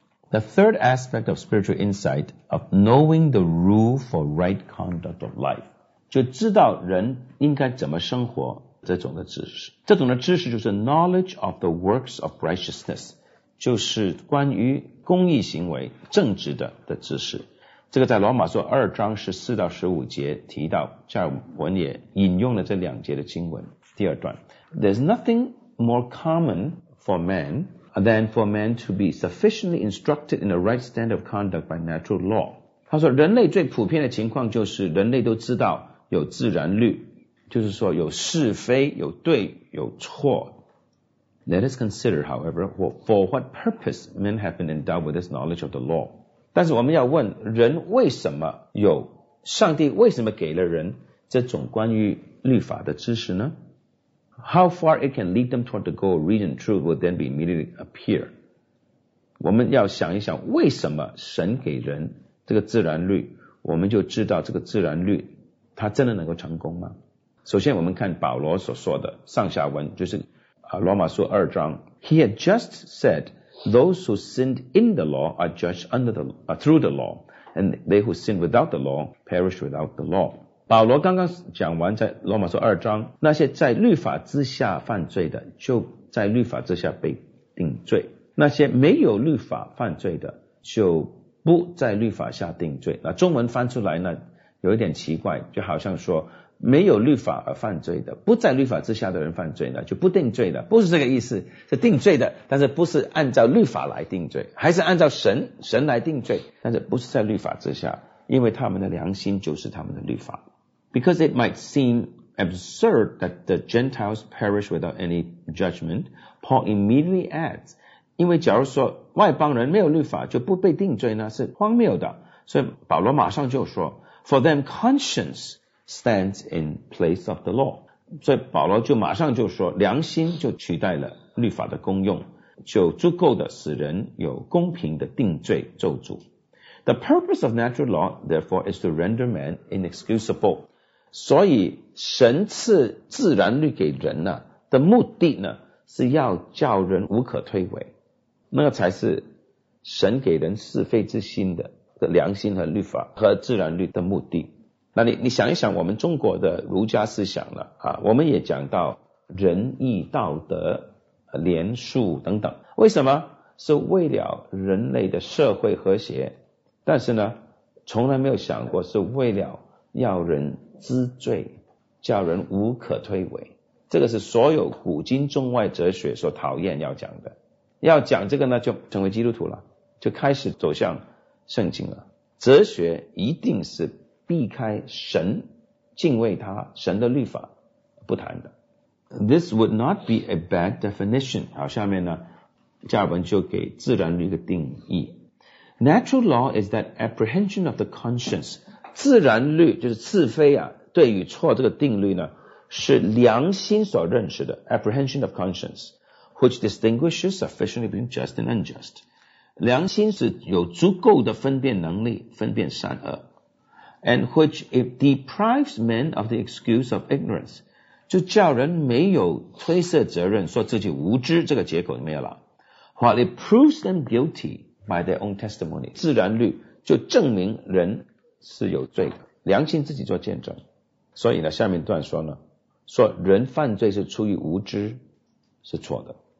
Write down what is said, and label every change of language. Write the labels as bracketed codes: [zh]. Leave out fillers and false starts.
[en] The third aspect of spiritual insight of knowing the rule for right conduct of life [zh] 就知道人应该怎么生活这种的知识这种的知识就是 [en] knowledge of the works of righteousness [zh] 就是关于公义行为正直的知识这个在罗马书二章14到15节提到加尔文也引用了这两节的经文第二段 [en] There's nothing more common for men, than for men to be sufficiently instructed in the right standard of conduct by natural law. [zh] 他说人类最普遍的情况就是人类都知道有自然律，就是说有是非，有对，有错。 [en] Let us consider, however, for what purpose men have been endowed with this knowledge of the law. [zh] 但是我们要问人为什么有，上帝为什么给了人这种关于律法的知识呢？ [en] How far it can lead them toward the goal of reason and truth will then be immediately appear. [zh] 我们要想一想为什么神给人这个自然律，我们就知道这个自然律它真的能够成功吗？首先我们看保罗所说的上下文，就是罗马书二章。 [en] He had just said, those who sinned in the law are judged through the law, and they who sin without the law perish without the law. [zh] 保罗刚刚讲完在罗马书二章，那些在律法之下犯罪的就在律法之下被定罪，那些没有律法犯罪的就不在律法下定罪。那中文翻出来呢有一点奇怪，就好像说没有律法而犯罪的，不在律法之下的人犯罪呢就不定罪的，不是这个意思，是定罪的，但是不是按照律法来定罪，还是按照神来定罪，但是不是在律法之下，因为他们的良心就是他们的律法。 [en] Because it might seem absurd that the Gentiles perish without any judgment, Paul immediately adds, [zh] 因为假如说外邦人没有律法就不被定罪呢是荒谬的，所以保罗马上就说 [en] For them conscience stands in place of the law. [zh] 所以保罗就马上就说良心就取代了律法的功用，就足够的使人有公平的定罪咒诅。 [en] The purpose of natural law, therefore, is to render man inexcusable. [zh] 所以神赐自然律给人呢的目的呢是要叫人无可推诿，那个才是神给人是非之心的良心和律法和自然律的目的。那你想一想我们中国的儒家思想呢我们也讲到仁义道德廉恕等等，为什么是为了人类的社会和谐，但是呢从来没有想过是为了要人知罪，叫人无可推诿。这个是所有古今中外哲学所讨厌要讲的，要讲这个呢就成为基督徒了，就开始走向圣经了。哲学一定是避开神，敬畏他神的律法不谈的。 [en] This would not be a bad definition. [zh] 好，下面呢加尔文就给自然律的定义。 [en] Natural law is that apprehension of the conscience. [zh] 自然律就是是非啊，对与错这个定律呢，是良心所认识的 [en] apprehension of conscience, which distinguishes sufficiently between just and unjust. [zh] 良心是有足够的分辨能力，分辨善恶， [en] and which it deprives men of the excuse of ignorance. [zh] 就叫人没有推卸责任，说自己无知这个借口没有了， [en] while it proves them guilty. By their own testimony, [zh] 自然律就证明人是有罪的，良心自己做见证。所以呢，下面段说呢，说人犯罪是出于无知，是错的。